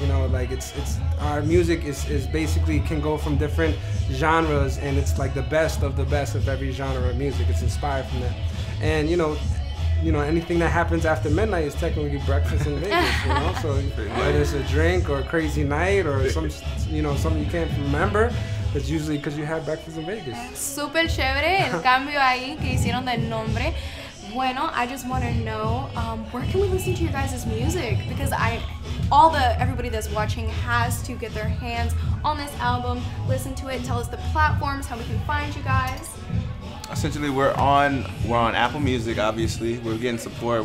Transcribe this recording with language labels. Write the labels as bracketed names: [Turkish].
[English] You know, like it's our music is basically can go from different genres, and it's like the best of the best of every genre of music. It's inspired from that, and you know, anything that happens after midnight is technically breakfast in Vegas. You know, so whether it's a drink or a crazy night or some, you know, something you can't remember. It's usually because you have breakfast in Vegas. [Spanish] Super chévere el cambio ahí que hicieron del nombre. Bueno, [English] I just want to know, where can we listen to your guys' music? Because everybody that's watching has to get their hands on this album, listen to it, tell us the platforms, how we can find you guys. Essentially, we're on Apple Music, obviously. We're getting support.